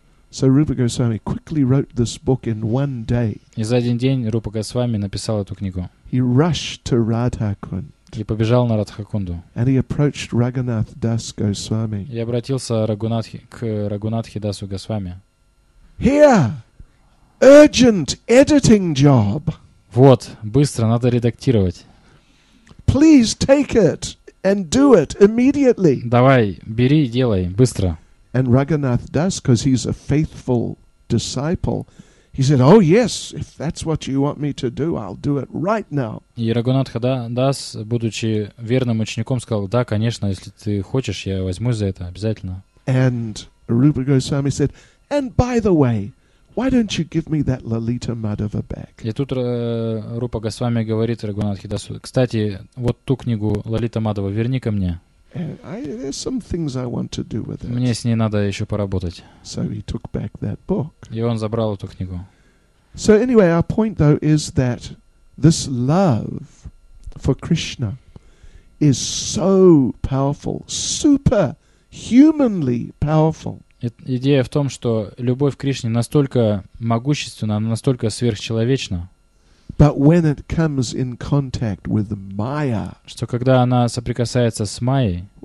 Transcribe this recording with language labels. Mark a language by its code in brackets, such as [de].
[en] So Rupa Goswami quickly wrote this book in one day. [ru] И за один день Рупа Госвами написал эту книгу. [en] He rushed to Radhakund. [ru] И побежал на Радхакунду. [en] And he approached Raghunath Das Goswami. [ru] И обратился к Рагунатхе Дасу Госвами. [en] Here. Urgent editing job. [ru] Вот, быстро, надо редактировать. [en] Please take it and do it immediately. [ru] Давай, бери, делай, быстро. [en] And Raghunath Das, because he's a faithful disciple, he said, "Oh yes, if that's what you want me to do, I'll do it right now." [ru] И Рагунатха Дас, будучи верным учеником, сказал: "Да, конечно, если ты хочешь, я возьму за это обязательно." [en] And Rupa Goswami said, "And by the way, why don't you give me that Lalita Madhava back?" [ru] И тут Рупа Госвами говорит Рагунатхе Дасу: "Кстати, вот ту книгу Лалита Мадхава верни ко мне. [en] There's some things I want to do with it." [ru] Мне с ней надо еще поработать. [en] So he took back that book. [ru] И он забрал эту книгу. [en] So anyway, our point though is that this love for Krishna is so powerful, super humanly powerful. [ru] Идея в том, что любовь к Кришне настолько могущественна, она настолько сверхчеловечна, [en] but when it comes in contact with Maya, [ru] что когда она соприкасается с Майей,